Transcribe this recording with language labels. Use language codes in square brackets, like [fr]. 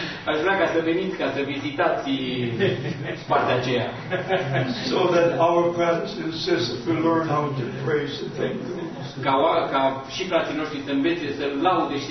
[ro] Aș vrea ca să veniți ca să vizitați partea aceea. [en] So that our brothers and sisters will learn how to praise and thank you. [ro] Ca și frații noștri să învețe să laude și